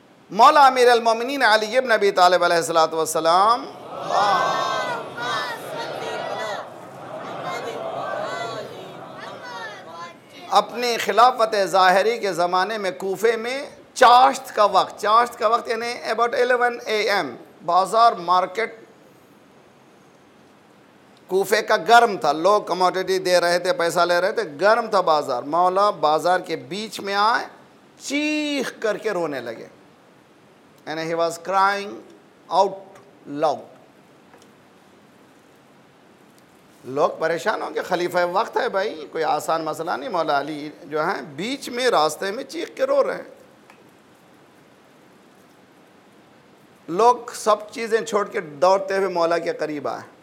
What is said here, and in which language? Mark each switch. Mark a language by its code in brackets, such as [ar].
[ur] مولا امیر المومنین علی ابن ابی طالب علیہ الصلوۃ والسلام اپنی خلافت ظاہری کے زمانے میں کوفے میں چاشت کا وقت, چاشت کا وقت یعنی [en] about 11 AM, [ur] بازار مارکیٹ کوفے کا گرم تھا, لوگ کموڈیٹی دے رہے تھے, پیسہ لے رہے تھے, گرم تھا بازار. مولا بازار کے بیچ میں آئے, چیخ کر کے رونے لگے. [en] And he was crying out loud. [ur] لوگ پریشان ہوں گے, خلیفہ وقت ہے بھائی, کوئی آسان مسئلہ نہیں. مولا علی جو ہیں بیچ میں راستے میں چیخ کے رو رہے ہیں, لوگ سب چیزیں چھوڑ کے دوڑتے ہوئے مولا کے قریب آئے.